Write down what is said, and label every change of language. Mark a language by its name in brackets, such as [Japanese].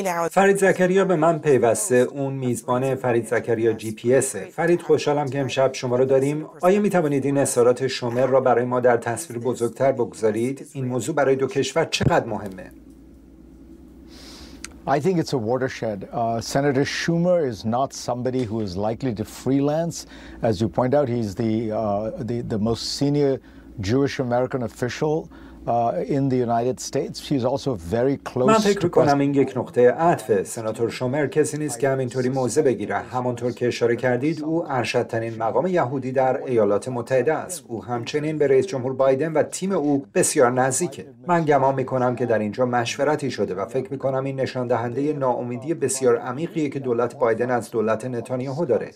[Persian] فرید زکریا به من پیوسته، اون میزبان فرید زکریا GPS. فرید، خوشحالم که امشب شما رو داریم. آیا می توانید این اظهارات شومر را برای ما در تصویر بزرگتر بگذارید؟ این موضوع برای دو کشور چقدر مهمه؟ [English] I think it's a watershed. Senator Schumer is not somebody who is likely to freelance. As you point out, he's the most senior Jewish American official in the United States. He's also very close. [Persian] من فکر کنم این یک نقطه عطف. سناتور شومر کسی نیست که همینطوری موضع بگیره. همونطور که اشاره کردید، او ارشدترین مقام یهودی در ایالات متحده است. او همچنین به رئیس جمهور بایدن و تیم او بسیار نزدیکه. من گمان میکنم که در اینجا مشورتی شده و فکر میکنم این نشان دهنده ناامیدی بسیار عمیقیه که دولت بایدن از دولت نتانیاهو داره.